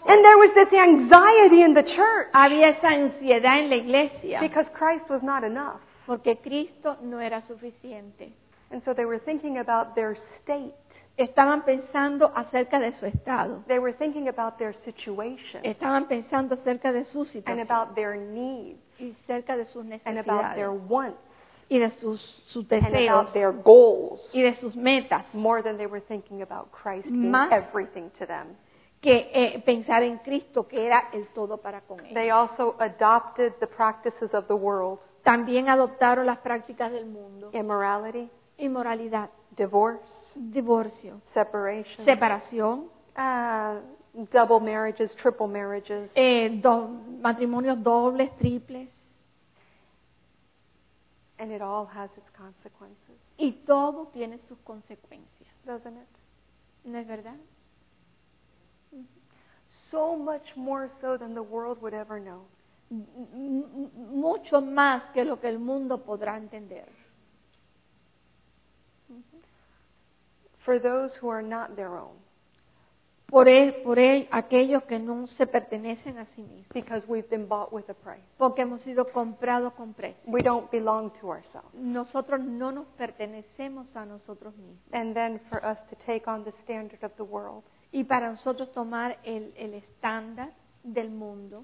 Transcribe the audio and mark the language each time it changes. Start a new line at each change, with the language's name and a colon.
English: And there was this anxiety in the church.
Spanish: Había esa ansiedad en la iglesia.
English: Because Christ was not enough.
Spanish: Porque Cristo no era suficiente.
English: And so they were thinking about their state.
Spanish: Estaban pensando acerca de su estado.
English: They were thinking about their situation.
Spanish: Estaban pensando acerca de su situación.
English: And about their needs.
Spanish: Y acerca de sus necesidades.
English: And about their wants.
Spanish: Y de sus deseos.
English: And about their goals.
Spanish: Y de sus metas.
English: More than they were thinking about Christ being everything to them.
Spanish: Que pensar en Cristo, que era el todo para con ellos.
English: They also adopted the practices of the world.
Spanish: También adoptaron las prácticas del mundo.
English: Immorality.
Spanish: Inmoralidad.
English: Divorce.
Spanish: Divorcio.
English: Separation.
Spanish: Separación.
English: Double marriages, triple marriages.
Spanish: Matrimonios dobles, triples.
English: And it all has its consequences.
Spanish: Y todo tiene sus consecuencias.
English: Doesn't it?
Spanish: ¿No es verdad?
English: So much more so than the world would ever know.
Spanish: mucho más que lo que el mundo podrá entender.
English: For those who are not their own.
Spanish: Por aquellos que no se pertenecen a sí mismos.
English: Because we've been bought with a price.
Spanish: Porque hemos sido comprados con precio.
English: We don't belong to ourselves.
Spanish: Nosotros no nos pertenecemos a nosotros mismos.
English: And then for us to take on the standard of the world.
Spanish: Y para nosotros tomar el estándar del mundo.